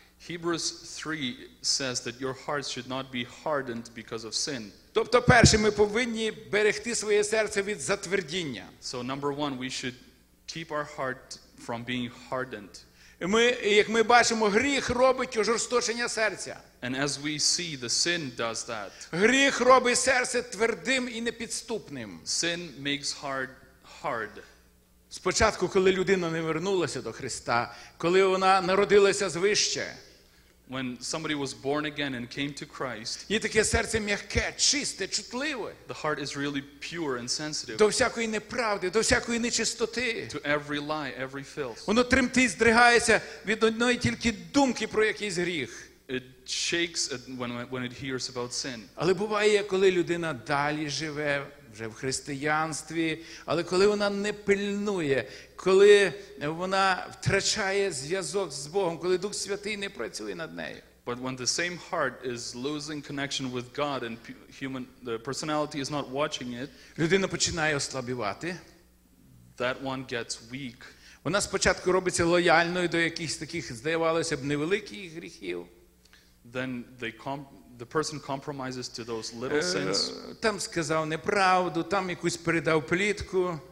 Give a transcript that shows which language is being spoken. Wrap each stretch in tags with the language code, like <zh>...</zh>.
<en>Hebrews 3 says that your hearts should not be hardened because of sin.</en> <uk>Тобто перше, ми повинні берегти своє серце від затвердіння.</uk> <en>So number one, we should keep our heart from being hardened.</en> <uk>Як ми бачимо, гріх робить ожорсточення серця.</uk> <en>And as we see, the sin does that.</en> <uk>Гріх робить серце твердим і непідступним.</uk> <en>Sin makes heart hard.</en> <uk>Спочатку, коли людина не вернулася до Христа, коли вона народилася звище,</uk> <en>When somebody was born again and came to Christ,</en> <uk>є таке серце м'яке, чисте, чутливе.</uk> <en>The heart is really pure and sensitive.</en> <uk>До всякої неправди, до всякої нечистоти.</uk> <en>To every lie, every filth.</en> <uk>Воно тремтить, здригається від одної тільки думки про якийсь гріх.</uk> <en>It shakes when it hears about sin.</en> <uk>Але буває, коли людина далі живе, вже в християнстві, але коли вона не пильнує, коли вона втрачає зв'язок з Богом, коли Дух Святий не працює над нею.</uk> <en>But when the same heart is losing connection with God and human the personality is not watching it,</en> <uk>людина починає ослабівати.</uk> <en>That one gets weak.</en> <uk>Вона спочатку робиться лояльною до якихось таких, здавалося б, невеликих гріхів.</uk> <en>Then they the person compromises to those little sins.</en> <uk>Там сказав неправду, там якусь передав плітку.</uk>